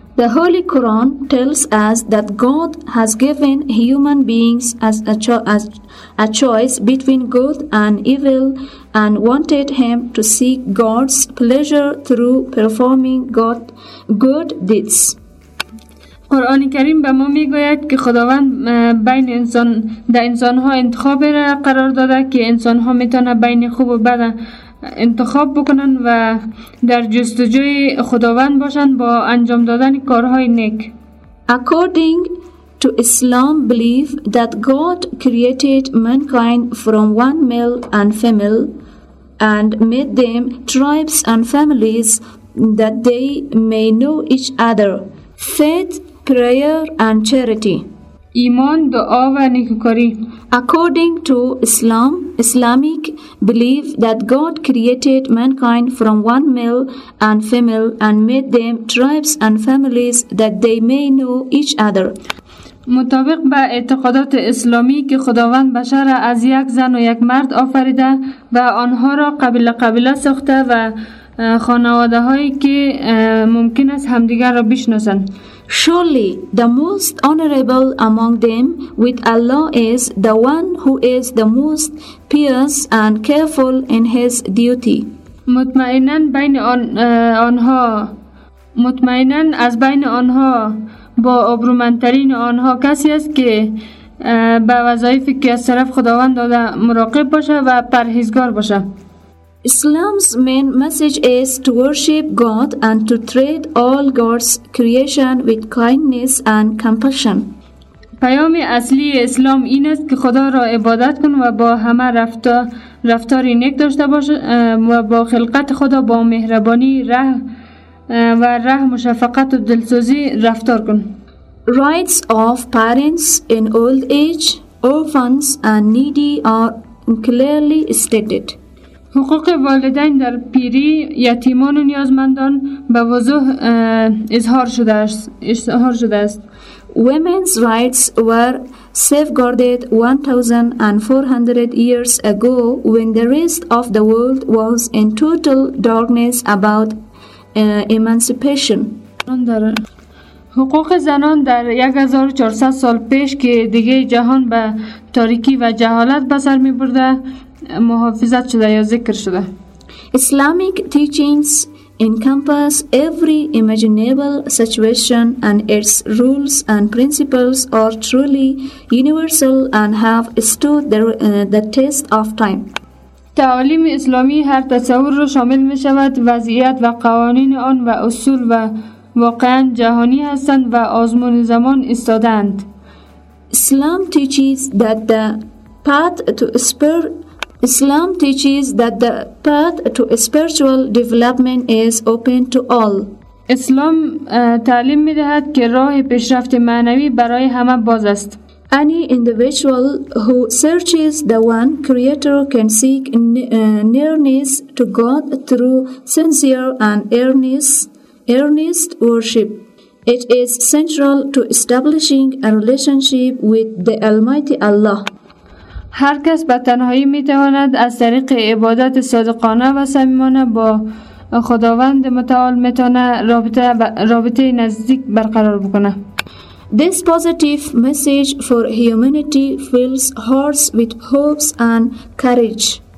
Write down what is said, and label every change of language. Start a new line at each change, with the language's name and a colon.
English: The Holy Quran tells us that God has given human beings as a choice between good and evil and wanted him to seek God's pleasure through performing good deeds.
Persian: قرآن کریم به ما میگوید که خداوند بین انسان در انسان ها انتخاب را قرار داده که انسان ها میتونه بین خوب و بد انتخاب بکنن و در جستجوی خداوند باشن با انجام دادن کارهای نیک.
English: According to Islam belief that God created mankind from one male and female and made them tribes and families that they may know each other. Faith, prayer and charity.
Persian: ایمان، دعا و نیکوکاری.
English: According to Islamic belief that God created mankind from one male and female and made them tribes and families that they may know each other.
Persian: مطابق به اعتقادات اسلامی که خداوند بشر را از یک زن و یک مرد آفریده و آنها را قبیله قبیله ساخته و خانواده هایی که ممکن است همدیگر را بشناسند.
English: Surely the most honorable among them with Allah is the one who is the most pious and careful in his duty.
Persian: مطمئنن بین آنها مطمئنن از بین آنها با آبرومندترین آنها کسی است که به وظایفی که از طرف خداوند داده مراقب باشه و پرهیزگار باشه.
English: Islam's main message is to worship God and to treat all God's creation with kindness and compassion.
Persian: پیام اصلی اسلام این است که خدا را عبادت کن و با همه رفتاری نیک داشته باش و با خلقت خدا با مهربانی و رحم و شفقت و دلسوزی رفتار کن.
English: Rights of parents in old age, orphans and needy are clearly stated.
Persian: حقوق والدین در پیری، یتیمان و نیازمندان به وضوح اظهار شده است.
English: Women's rights were safeguarded 1,400 years ago when the rest of the world was in total darkness about emancipation.
Persian: حقوق زنان در 1400 سال پیش که دیگه جهان به تاریکی و جهالت بسر می برده محافظت شده یا ذکر شده.
English: Islamic teachings encompass every imaginable situation and its rules and principles are truly universal and have stood the test of time.
Persian: تعالیم اسلامی هر تصور رو شامل می شود، وضعیت و قوانین آن و اصول و واقعا جهانی هستند و آزمون زمان استادند.
English: Islam teaches that the path to spiritual development is open to all.
Persian: اسلام تعلیم می دهد که راه پیشرفت معنوی برای همه باز است.
English: Any individual who searches the one creator can seek nearness to God through sincere and earnest worship. It is central to establishing a relationship with the Almighty Allah.
Persian: هر کس به تنهایی می تواند از طریق عبادت صادقانه و صمیمانه با خداوند متعال می تواند رابطه نزدیک برقرار بکنه.
English: This positive message for humanity fills hearts with hopes and courage.